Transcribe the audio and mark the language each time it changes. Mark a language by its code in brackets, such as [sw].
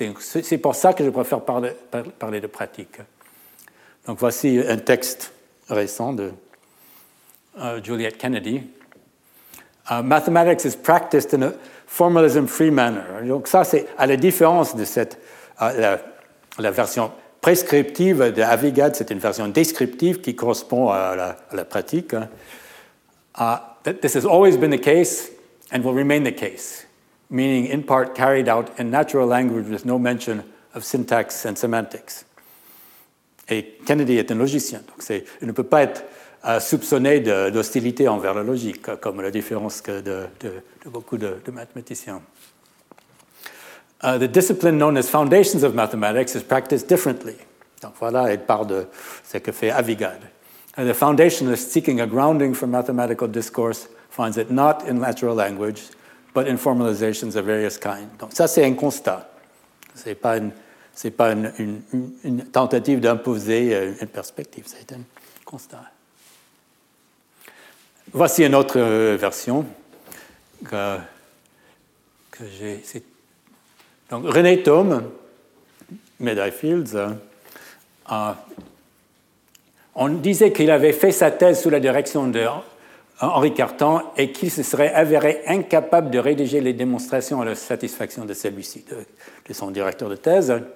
[fr] C'est pour ça que je préfère parler de pratique. Donc voici un texte récent de Juliet Kennedy. [en] Mathematics is practiced in a formalism-free manner. [fr] Donc ça, c'est à la différence de la version prescriptive de Avigad, c'est une version descriptive qui correspond à la pratique. [en] This has always been the case and will remain the case, meaning in part carried out in natural language with no mention of syntax and semantics. [fr] Et Kennedy est un logicien, donc il ne peut pas être soupçonné d'hostilité envers la logique, comme la différence de beaucoup de mathématiciens. [en] The discipline known as foundations of mathematics is practiced differently. [fr] Donc voilà, il part de ce que fait Avigad. [en] And the foundationalist seeking a grounding for mathematical discourse finds it not in natural language, but in formalizations of various kinds. [fr] Donc ça, c'est un constat. C'est pas une tentative d'imposer une perspective, c'est un constat. Voici une autre version que j'ai. Donc René Thome, Medaille Fields, on disait qu'il avait fait sa thèse sous la direction de Henri Cartan et qu'il se serait avéré incapable de rédiger les démonstrations à la satisfaction de celui-ci, de son directeur de thèse.